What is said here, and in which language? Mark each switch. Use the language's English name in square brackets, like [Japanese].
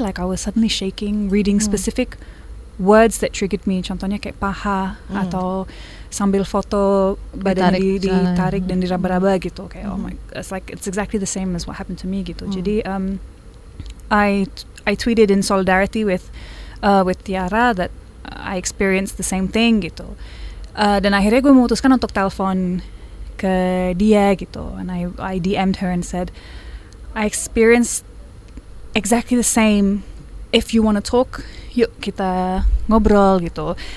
[English] Like I was suddenly shaking reading specific words that triggered me. [Indonesian] Contohnya kayak paha atau sambil foto badannya ditarik dan diraba-raba gitu. Kayak [English] oh my, it's like it's exactly the same as what happened to me gitu. [Indonesian] Jadi [English] I tweeted in solidarity with Tiara that I experienced the same thing gitu. [Indonesian] Dan akhirnya gue memutuskan untuk telepon ke dia gitu, [English] and I DM'd her and said I experienced exactly the same, if you want to talk [Indonesian] yuk kita ngobrol gitu.